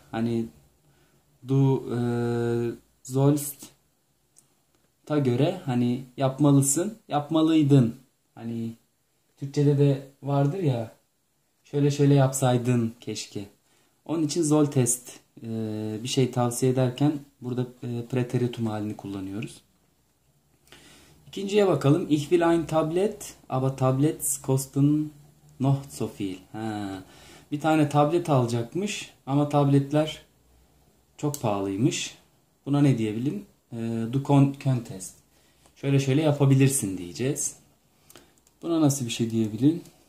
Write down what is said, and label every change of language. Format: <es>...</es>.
<tr>Hani</tr> <de>du sollst</de> <tr>ta göre hani yapmalısın, yapmalıydın. Hani Türkçede de vardır ya, şöyle şöyle yapsaydın keşke. Onun için zol test bir şey tavsiye ederken burada preteritum halini kullanıyoruz. İkinciye bakalım.</tr> <de>Ich will ein Tablet, aber Tablets kosten noch so viel. Ha.</de> <tr>Bir tane tablet alacakmış ama tabletler çok pahalıymış. Buna ne diyebilirim?</tr> <de>Du könntest.</de> <tr>Şöyle şöyle yapabilirsin diyeceğiz. Buna nasıl bir şey diyebilirim?</tr>